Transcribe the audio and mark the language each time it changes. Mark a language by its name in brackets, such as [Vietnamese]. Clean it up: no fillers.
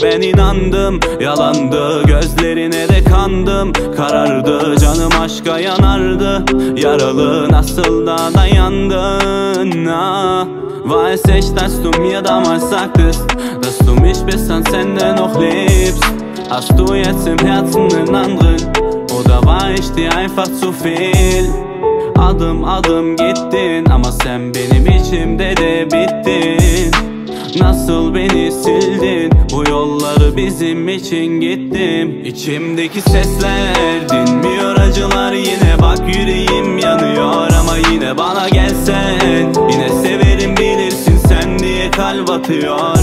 [Turkish] Ben inandım, yalandı. Gözlerine de kandım, karardı. Canım aşka yanardı, yaralı. Nasıl da dayandın, ah. [German] Weiß ich, dass du mir damals sagtest, dass du mich bis ans Ende noch liebst. Hast du jetzt im Herzen einen anderen oder war ich dir einfach zu viel? [Turkish] Adım adım gittin ama sen benim içimde de bittin. Nasıl beni sildin, bu yolları bizim için gittim. İçimdeki sesler dinmiyor, acılar yine. Bak yüreğim yanıyor ama yine bana gelsen, yine severim bilirsin sen diye kalp atıyor.